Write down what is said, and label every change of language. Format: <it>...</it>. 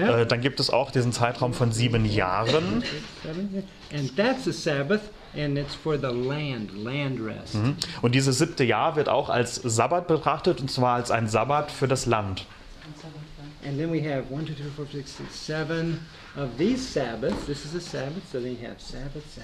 <de>Dann gibt es auch diesen Zeitraum von 7 Jahren.</de> <en>And that's a Sabbath, and it's for the land rest. Mhm.</en> <de>Und dieses siebte Jahr wird auch als Sabbat betrachtet, und zwar als ein Sabbat für das Land.</de> <en>And then we have 1, 2, 3, 4, 5, 6, 7 of these Sabbaths. This is a Sabbath, so then you have Sabbath.</en>